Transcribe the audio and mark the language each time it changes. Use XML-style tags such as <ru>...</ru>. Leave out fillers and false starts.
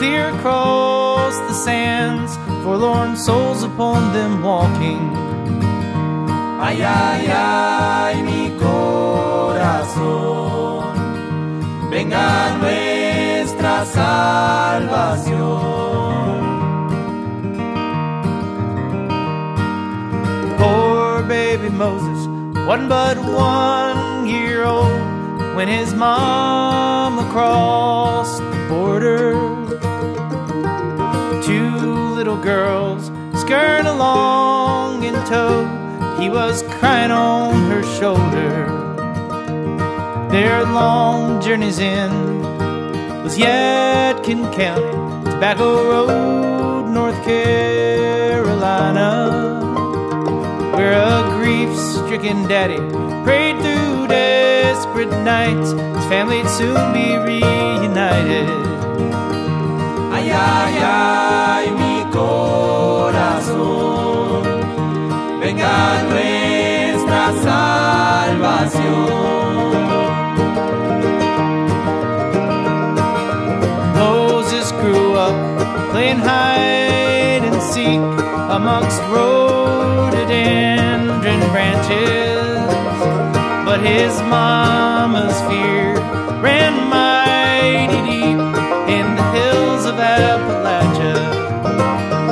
<en>clear across the sands, forlorn souls upon them walking.</en> <es>Ay, ay, ay, mi corazón, venga nuestra salvación.</es> <en>Poor baby Moses, one but 1 year old, when his mom crossed the border. Two little girls scurried along in tow, he was crying on her shoulder. Their long journey's end was yet Kin County, Tobacco Road, North Carolina, where a grief-stricken daddy prayed through desperate nights, his family'd soon be reunited.</en> <es>Ay, ay, ay, mi corazón, venga nuestra salvación.</es> <en>Moses grew up playing hide and seek amongst rhododendron branches, but his mama's fear ran mighty deep in the hills of Appalachia.</en>